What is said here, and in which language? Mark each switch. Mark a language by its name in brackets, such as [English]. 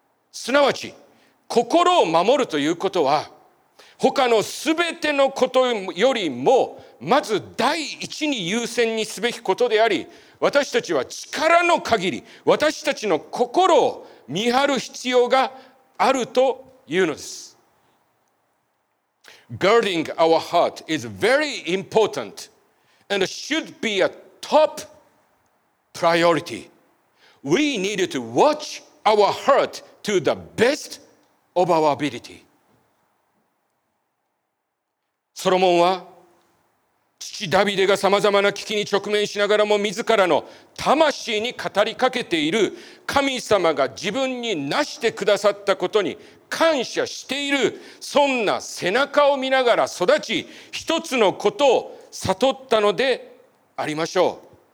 [Japanese] すなわち心を守るということは、他のすべてのことよりもまず第一に優先にすべきことであり、私たちは力の限り私たちの心を見張る必要があるというのです。 [English] Guarding our heart is very important and should be a top priority. We need to watch our heart to the best of our ability. [Japanese] ソロモンは父ダビデがさまざまな危機に直面しながらも、自らの魂に語りかけている神様が自分に成してくださったことに感謝している、そんな背中を見ながら育ち、一つのことを悟ったのでありましょう。